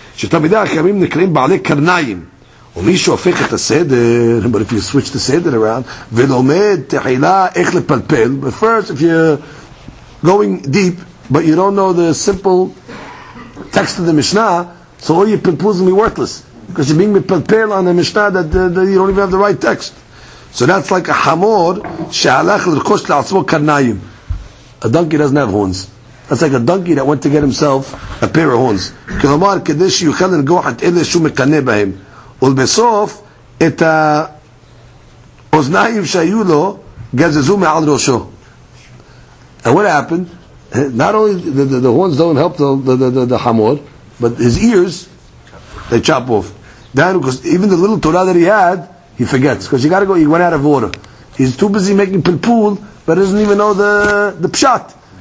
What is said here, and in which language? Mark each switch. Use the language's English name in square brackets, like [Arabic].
[Hebrew] שתמידי הקרמים נקראים בעלי קרניים ומי שהופך את הסדר [English] but if you switch the סדר around [Hebrew] ולומד תחילה איך לפלפל [English] but first if you're going deep but you don't know the simple text of the Mishnah so all your pelpels will be worthless because you're being מפלפל on the Mishnah that you don't even have the right text so that's like a [Hebrew] חמור שהלך לרכוש לעצמו קרניים [English] a donkey doesn't have horns That's like a donkey that went to get himself a pair of horns. [Hebrew] כלומר, כדי שיוכל לנגוח את אלה שהוא מקנה בהם. ולבסוף, את האוזניים שהיו לו, גזזו מעל ראשו. [English] And what happened? Not only the horns don't help the חמור, but his ears, they chop off. Then, because even the little Torah that he had, he forgets. Because you got to go, he went out of order. He's too busy making pilpul, but doesn't even know the pshat.